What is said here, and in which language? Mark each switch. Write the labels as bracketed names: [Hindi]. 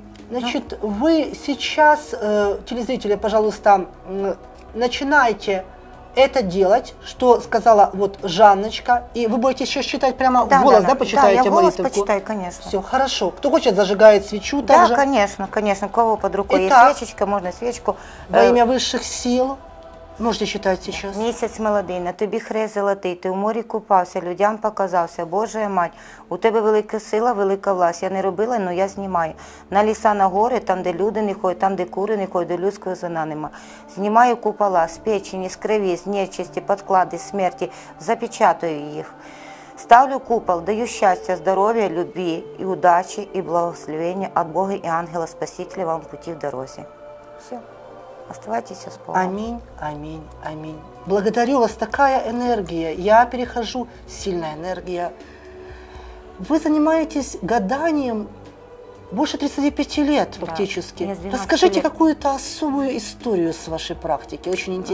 [Russian] Значит, вы сейчас, телезрители, пожалуйста, начинайте это делать, что сказала вот Жанночка. И вы будете еще считать прямо в голос, да, почитаете молитву? Да, я в голос почитаю, конечно. Все, хорошо. Кто хочет, зажигает свечу также. Да, конечно, конечно. У кого под рукой есть свечечка, можно свечку. Во имя высших сил. Можете считать сейчас. [Ukrainian] Місяць молодий, на тобі хрест золотий, ти в морі купався, людям показався, Божа мать. У тебе велика сила, велика власть, я не робила, но я знімаю. На ліса, на гори, там, де люди не ходять, там, де кури не ходять, до людського зона нема. Знімаю купола з печені, з криві, з нечисті, підклади, смерті, запечатую їх. Ставлю купол, даю щастя, здоров'я, любві і удачі, і благословення від Бога і ангела, спасителя вам пути в дорозі. [Russian] Все. Оставайтесь с Богом. Аминь, аминь, аминь. Благодарю вас, такая энергия. Я перехожу, сильная энергия. Вы занимаетесь гаданием больше 35 лет фактически. Да, расскажите лет. Какую-то особую историю с вашей практики, очень интересно.